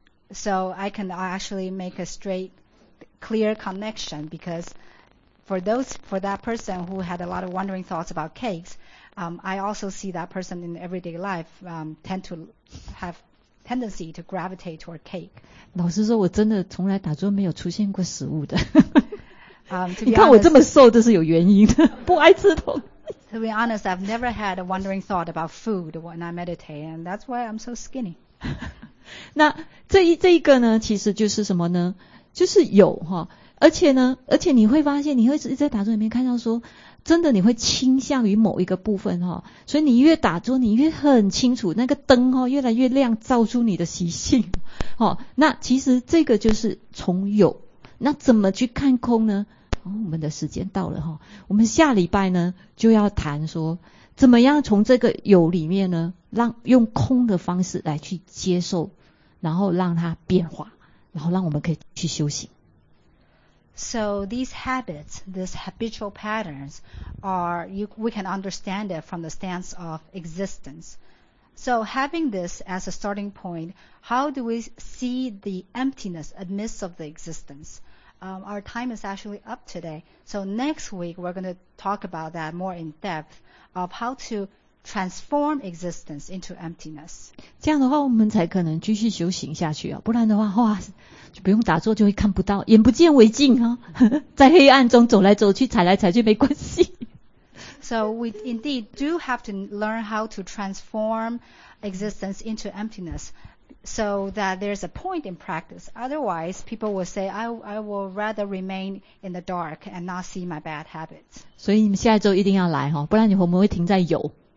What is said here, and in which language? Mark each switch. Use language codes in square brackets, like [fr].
[en] So I can actually make a straight, clear connection, because for that person who had a lot of wandering thoughts about cakes, I also see that person in everyday life tend to have tendency to gravitate toward cake. [zh] 老实说，我真的从来打坐没有出现过食物的。 [en] honest, [zh] 你看我这么瘦，这是有原因的，不爱吃东西。 [en] To be honest, I've never had a wandering thought about food when I meditate, and that's why I'm so skinny. [zh] 那这一个呢，其实就是什么呢？就是有哈，而且你会发现，你会一直在打坐里面看到说。真的你会倾向于某一个部分、哦、所以你越打坐你越很清楚那个灯、哦、越来越亮照出你的习性、哦、那其实这个就是从有那怎么去看空呢、哦、我们的时间到了、哦、我们下礼拜呢就要谈说怎么样从这个有里面呢让用空的方式来去接受然后让它变化然后让我们可以去修行 [en] So these habits, these habitual patterns, we can understand it from the stance of existence. So having this as a starting point, how do we see the emptiness amidst of the existence? Our time is actually up today. So next week, we're going to talk about that more in depth of how to transform existence into emptiness. [zh] 这样的话我们才可能继续修行下去、哦、不然的话哇就不用打坐就会看不到眼不见为净、哦、在黑暗中走来走去踩来踩去没关系 [en] So we indeed do have to learn how to transform existence into emptiness so that there's a point in practice otherwise people will say I will rather remain in the dark and not see my bad habits [zh] 所以你们下一周一定要来、哦、不然你我们会停在有